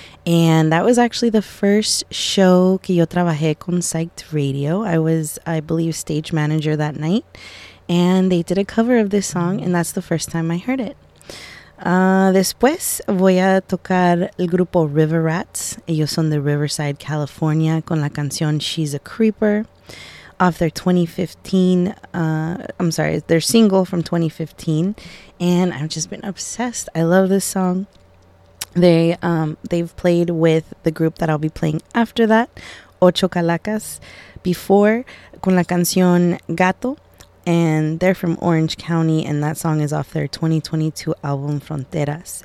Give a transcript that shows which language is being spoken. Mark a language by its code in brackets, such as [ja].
[en] And that was actually the first show [es] que yo trabajé con [en] Psyched Radio. I was, I believe, stage manager that night. And they did a cover of this song, and that's the first time I heard it. [es] Después voy a tocar el grupo River Rats. Ellos son de Riverside, California, con la canción She's a Creeper. [en] Off their 2015, their single from 2015, and I've just been obsessed. I love this song. They've played with the group that I'll be playing after that, Ocho Calacas, before, [es] con la canción Gato, [en] and they're from Orange County, and that song is off their 2022 album Fronteras.